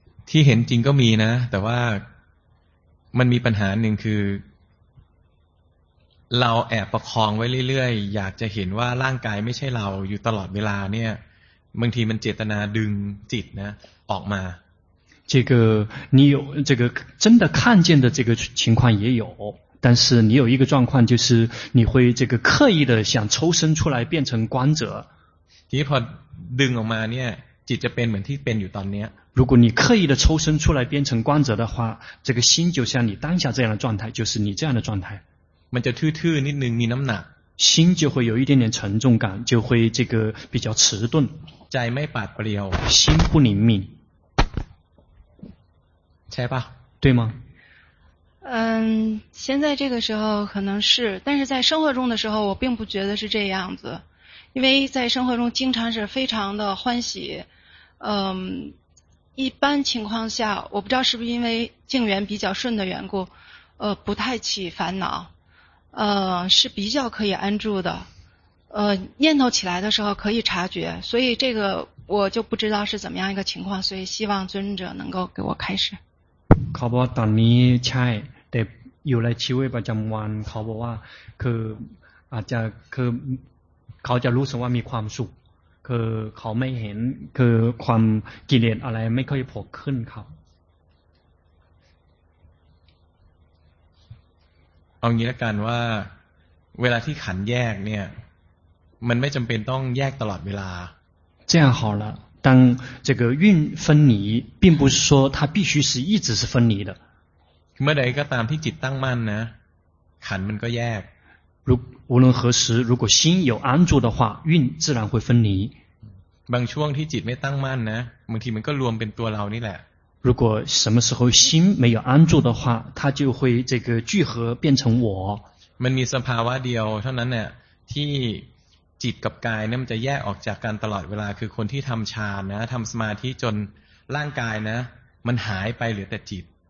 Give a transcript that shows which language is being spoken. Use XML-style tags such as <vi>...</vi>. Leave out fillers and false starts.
<th>ที่เห็นจริงก็มีนะแต่ว่ามันมีปัญหาหนึ่งคือเราแอบประคองไว้เรื่อยๆอยากจะเห็นว่าร่างกายไม่ใช่เราอยู่ตลอดเวลาเนี่ยบางทีมันเจตนาดึงจิตนะออกมา</th> <zh>这个你有这个真的看见的这个情况也有但是你有一个状况就是你会这个刻意的想抽身出来变成观者</zh> <th>ที่พอดึงออกมาเนี่ยจิตจะเป็นเหมือนที่เป็นอยู่ตอนเนี้ย</th> <zh>如果你刻意的抽身出来变成观者的话这个心就像你当下这样的状态就是你这样的状态</zh> <th>มันจะทื่อๆนิดนึงมีน้ำหนัก</th> <zh>心就会有一点点沉重感就会这个比较迟钝</zh> <th>ใจไม่ปราดเปรียว</th> <zh>心不灵敏</zh> <th>ใช่ป่ะ</th> <zh>对吗嗯现在这个时候可能是但是在生活中的时候我并不觉得是这样子因为在生活中经常是非常的欢喜嗯一般情况下我不知道是不是因为境缘比较顺的缘故不太起烦恼是比较可以安住的念头起来的时候可以察觉所以这个我就不知道是怎么样一个情况所以希望尊者能够给我开示</zh> <th>เขาบอกตอนนี้ใช่แต่อยู่ในชีวิตประจำวันเขาบอกว่าคืออาจจะคือเขาจะรู้สึกว่ามีความสุขคือเขาไม่เห็นคือความกิเลสอะไรไม่ค่อยโผล่ขึ้นครับ เอางี้ละกันว่าเวลาที่ขันแยกเนี่ยมันไม่จำเป็นต้องแยกตลอดเวลา</th> <zh>这样好了当这个运分离并不是说它必须是一直是分离的</zh> <th>เมื่อใดก็ตามที่จิตตั้งมั่นนะขันมันก็แยก</th> <zh>无论何时如果心有安住的话运自然会分离</zh> <th>บางช่วงที่จิตไม่ตั้งมั่นนะบางทีมันก็รวมเป็นตัวเรานี่แหละ</th> <zh>如果什么时候心没有安住的话它就会这个聚合变成我</zh> <th>มันมีสภาวะเดียวเท่านั้นเนี่ยที่จิตกับกายเนี่ยมันจะแยกออกจากกันตลอดเวลาคือคนที่ทำฌานนะทำสมาธิจนร่างกายนะมันหายไปเหลือแต่จิต</th>